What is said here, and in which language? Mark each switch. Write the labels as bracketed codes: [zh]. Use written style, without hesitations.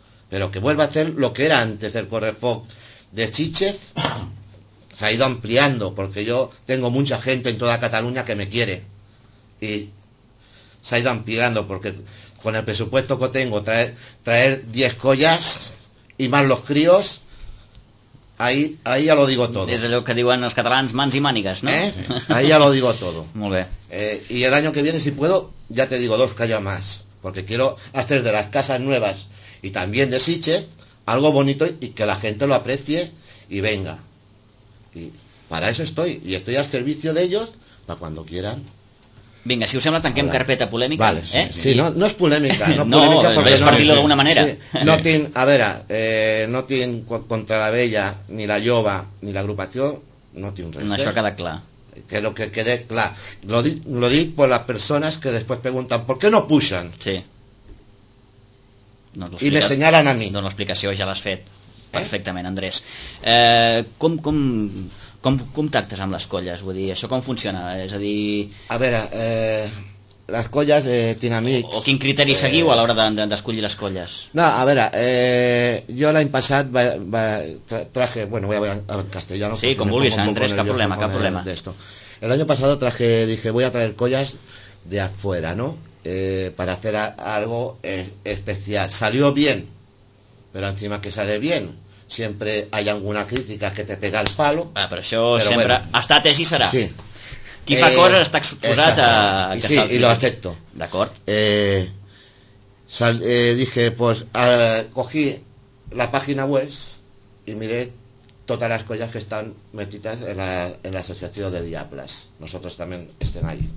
[es] Pero que vuelva a ser lo que era antes del Correfoc de Sitges, se ha ido ampliando, porque yo tengo mucha gente en toda Cataluña que me quiere. Y se ha ido ampliando, porque con el presupuesto que tengo, traer 10 collas y más los críos, ahí ya lo digo todo. [ca] Des d'allò que diuen els catalans, mans i mànigues, no? [es] Eh? Ahí ya lo digo todo. [ca] Molt bé. [es] Y el año que viene, si puedo, ya te digo, 2 callas más. Porque quiero hacer de las Casas Nuevas y también de Sitges algo bonito y que la gente lo aprecie y venga. Y para eso estoy. Y estoy al servicio de ellos para cuando quieran. [ca] Vinga, si us sembla, tanquem carpeta polèmica. Vale, sí, sí. Sí, no és polèmica. No, vés per dir-lo d'alguna manera. Sí. No tinc, a veure, no tinc contra la vella, ni la jove, ni l'agrupació, no tinc res. Això queda clar. [es] Que lo que quede clar. [ca] Lo dic [es] por las personas que después preguntan ¿por qué no pujan? Sí. No, i me señalan a mi. [ca] Dona l'explicació, ja l'has fet perfectament, Andrés. Com contactes amb les colles? Vull dir, això com funciona? És a dir... A veure, les colles tinc amics... O quin criteri seguiu a l'hora d'escollir les colles? No, a veure, jo l'any passat traje... [es] Bueno, voy a hablar en castellano. [ca] Sí, com vulguis, Andrés, cap problema, cap problema. [es] El año pasado traje, dije, voy a traer colles de afuera, ¿no? Para hacer algo especial. Salió bien, pero encima que sale bien... Siempre hay alguna crítica que te pega el palo. [ca] Ah, però això però sempre bueno. Ha estat així serà. Sí. Qui fa coses està exposat a... [es] I sí, i lo acepto. [ca] D'acord. [es] Dije, pues, cogí la página web y miré [ca] totes les colles que estan [es] metidas en la Associació de Diables. Nosotros también [ca] estem [es] ahí.